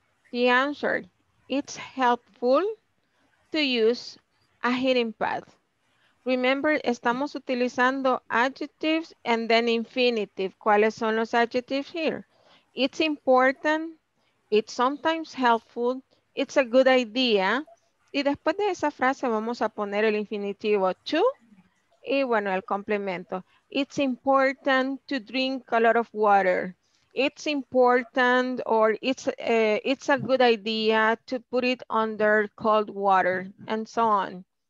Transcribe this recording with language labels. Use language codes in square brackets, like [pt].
[en] The answer, it's helpful to use a heating pad. Remember, [es] estamos utilizando [en] adjectives and then infinitive. [es] ¿Cuáles son los [en] adjectives here? It's important, it's sometimes helpful, it's a good idea. [es] Y después de esa frase vamos a poner el infinitivo to y bueno, el complemento. [en] It's important to drink a lot of water. It's important or it's a good idea to put it under cold water and so on.